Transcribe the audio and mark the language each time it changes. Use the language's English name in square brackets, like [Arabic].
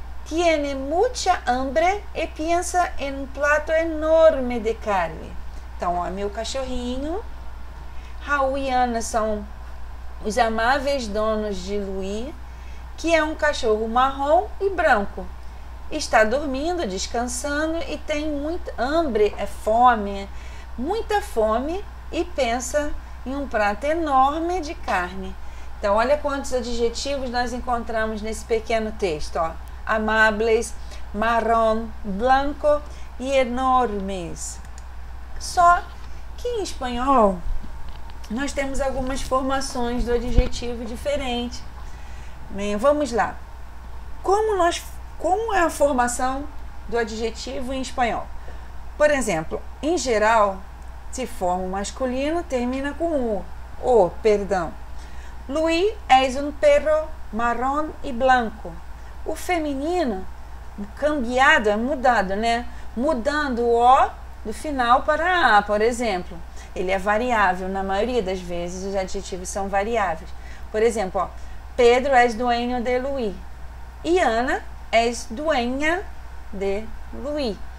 [Spanish] Tiene mucha hambre e piensa en un plato enorme de carne. [Portuguese] Então, ó, meu cachorrinho, Raul e Ana são os amáveis donos de Louis, que é um cachorro marrom e branco. Está dormindo, descansando e tem muita hambre, é fome, muita fome e pensa em um prato enorme de carne. Então, olha quantos adjetivos nós encontramos nesse pequeno texto, ó. [Spanish] Amables, marrom, blanco e enormes. [Portuguese] Só que em espanhol nós temos algumas formações do adjetivo diferente. Bem, vamos lá. Como é a formação do adjetivo em espanhol? Por exemplo, em geral, se forma o masculino, termina com o. [Spanish] Luis es un perro marrón y blanco. [Portuguese] O feminino, cambiado, é mudado, né? Mudando o O do final para A, por exemplo. Ele é variável. Na maioria das vezes, os adjetivos são variáveis. Por exemplo, ó, Pedro é dueño de Luis. E Ana é dueña de Luis.